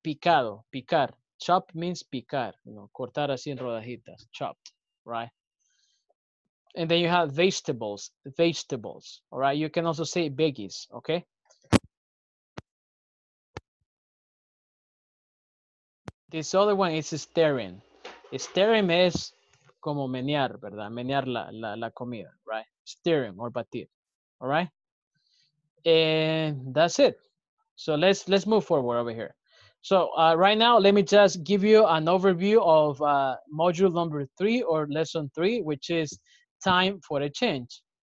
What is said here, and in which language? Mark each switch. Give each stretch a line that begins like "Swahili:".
Spanish: Picado, picar.
English: Chop means
Spanish: picar,
English: you know,
Spanish: cortar así en rodajitas, chopped, right?
English: And then you have vegetables, all right? You can also say veggies, okay? This other one is stirring.
Spanish: Stirring is como menear, ¿verdad? Menear la comida, right?
English: Stirring or batir, all right? And that's it. So let's move forward over here. So right now, let me just give you an overview of module number 3 or lesson 3, which is time for a change.